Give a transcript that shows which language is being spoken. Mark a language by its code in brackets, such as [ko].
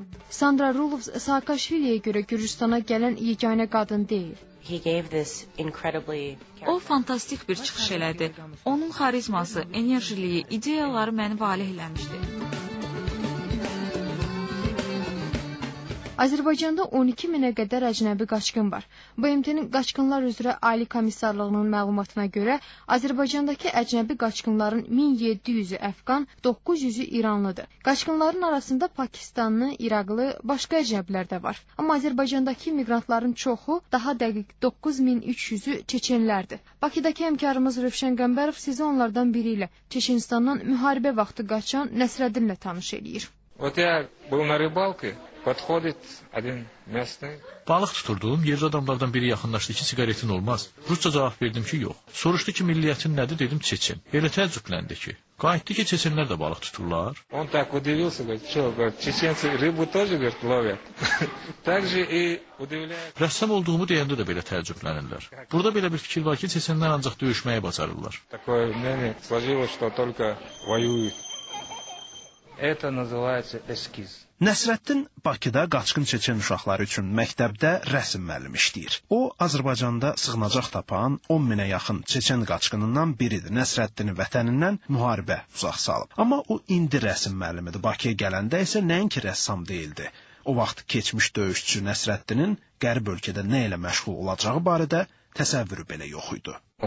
[az] Sandra Rulovs Saakashviliyə görə Gürcüstana gələn yeganə qadın deyil. [en] He gave this incredibly [az] O fantastik bir çıxış elədi. Onun xarizması, enerjiliyi, ideyaları məni valeh eləmişdi. Azərbaycanda 12 minə qədər əcnəbi qaçqın var. BMT-nin Qaçqınlar üzrə Ali Komissarlığının məlumatına görə, Azərbaycandakı əcnəbi qaçqınların 1700-ü əfqan, 900-ü iranlıdır. Qaçqınların arasında Pakistanlı, İraqlı, başqa əcnəbilər də var. Amma Azərbaycandakı miqrantların çoxu, daha dəqiq 9300-ü çeçenlərdir. Bakıdakı həmkarımız Rövşən Qəmbərov sizi onlardan biri ilə Çeçenistandan müharibə vaxtı qaçan Nəsrəddinlə tanış eləyir. O deyər, bunlar balkı. [ru] Подходит один местный. [az] Balıq tuturduğum yerli adamlardan biri yaxınlaşdı ki, siqaretin olmaz. Rusca cavab verdim ki, yox. Soruşdu ki, milliyyətin nədir? Dedim Çeçen. Elə təəccübləndi ki, qayıtdı ki, Çeçenlər də balıq tuturlar. [ru] Он так удивился, говорит, что, говорит, чеченцы рыбу тоже, говорит, ловят. Также и удивляется. [az] Рәссам olduğumu deyəndə də belə təəccüblənirlər. Burada belə bir fikir var ki, Çeçenlər ancaq döyüşməyi bacarırlar. [ru] Такое мнение сложилось, что только воюют. Это называется эскиз. [az] Nəsrəddin Bakıda qaçqın çeçen uşaqları üçün məktəbdə rəsm müəllimi işləyir. O, Azərbaycanda sığınacaq tapan 10 minə yaxın çeçen qaçqınından biridir. Nəsrəddin vətənindən müharibə uzaq salıb. Amma o indi rəsm müəllimidir. Bakıya gələndə isə nəinki rəssam deyildi. O vaxt keçmiş döyüşçü Nəsrəddinin qərb ölkədə nə ilə məşğul olacağı barədə təsəvvürü belə yox idi.